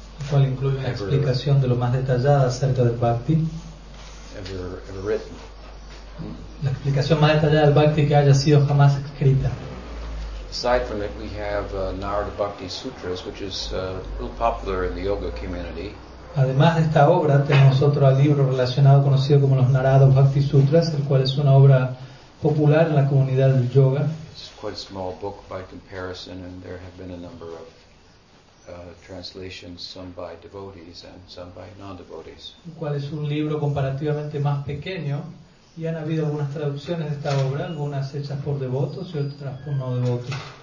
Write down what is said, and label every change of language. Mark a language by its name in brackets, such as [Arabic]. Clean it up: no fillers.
[Spanish] Cual incluye una explicación de lo más detallada acerca del bhakti. [English] Ever written. [Spanish] La explicación más detallada del bhakti que haya sido jamás escrita. [English] Aside from it, we have Narada Bhakti Sutras, which is real popular in the yoga community. [Spanish] Además de esta obra, tenemos otro libro relacionado conocido como los Narada Bhakti Sutras, el cual es una obra popular en la comunidad del yoga. [English] It's quite a small book by comparison, and there have been a number of translations, some by devotees and some by non-devotees. [Spanish] ¿Cuál es un libro comparativamente más pequeño? Y han habido algunas traducciones de esta obra, algunas hechas por devotos y otras por no devotos.